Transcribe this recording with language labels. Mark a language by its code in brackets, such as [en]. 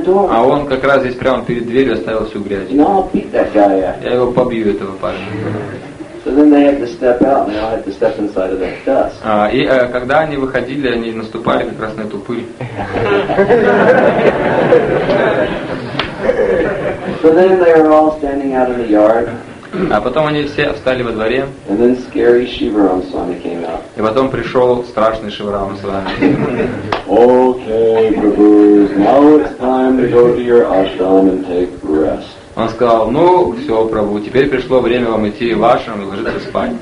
[ru] А он как раз здесь прямо перед дверью оставил всю грязь. Я его побью, этого парня. [en] So then they had to step out, and they all had to step inside of that dust. [ru] Когда они выходили, они наступали как раз на эту пыль. [en] So then they were all standing out in the yard. [ru] А потом они все встали во дворе. [en] And then scary Shivram Swami came out. [ru] И потом пришел страшный Шиварам Свами. [en] Okay, Prabhus, now it's time to go to your ashram and take rest. [ru] Он сказал, ну, все, Прабху, теперь пришло время вам идти в ашрам и ложиться спать.